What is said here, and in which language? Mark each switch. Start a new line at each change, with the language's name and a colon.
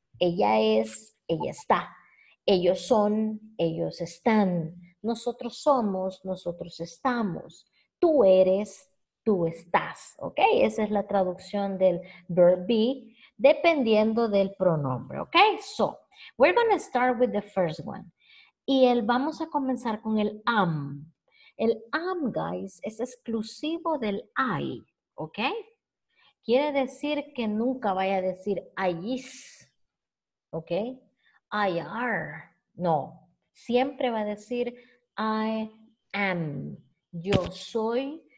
Spanish: Ella es, ella está. Ellos son, ellos están. Nosotros somos, nosotros estamos. Tú eres, tú estás, ¿ok? Esa es la traducción del verb be, dependiendo del pronombre, ¿ok?
English: So, we're going to start with the first one.
Spanish: Y el vamos a comenzar con el am. El am, guys, es exclusivo del I, ¿ok? Quiere decir que nunca vaya a decir I is, ¿ok? I are, no. Siempre va a decir I am, yo soy.